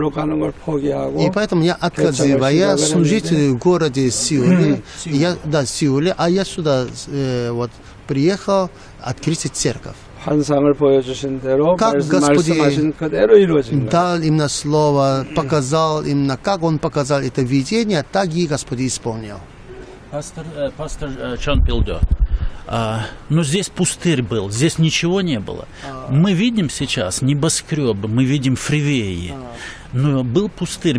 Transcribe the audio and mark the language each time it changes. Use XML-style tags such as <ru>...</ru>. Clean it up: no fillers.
<ru>И поэтому я отказываю служить в городе Сеуле, а я сюда вот приехал открыть церковь.</ru> <ko>환상을 보여주신 대로 말씀하신 그대로 이루어진 거예요.</ko> <ru>Дал им на слово, показал им на как он показал это видение, так и Господь исполнил. Пастор Чон Пилдё, но здесь пустырь был, здесь ничего не было. Мы видим сейчас небоскребы, мы видим фривеи, но был пустырь.</ru>